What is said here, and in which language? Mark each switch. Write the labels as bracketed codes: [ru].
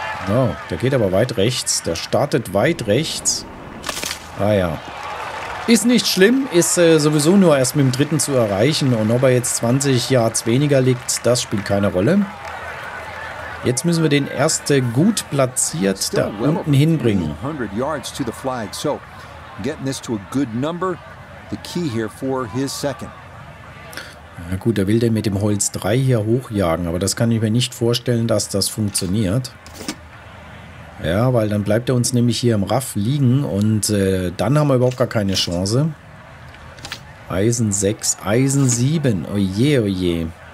[de] Oh, der geht aber weit rechts. Der startet weit rechts. Ah ja. Ist nicht schlimm. Ist sowieso nur erst mit dem dritten zu erreichen. Und ob er jetzt 20 Yards weniger liegt, das spielt keine Rolle. Jetzt müssen wir den ersten gut platziert da unten hinbringen. [en] 100 Yards to the flag. So, getting this to a good number. The key here for his second. [de] Na gut, er will den mit dem Holz 3 hier hochjagen, aber das kann ich mir nicht vorstellen, dass das funktioniert. Ja, weil dann bleibt er uns nämlich hier im Raff liegen und dann haben wir überhaupt gar keine Chance. Eisen 6, Eisen 7, oje, oje.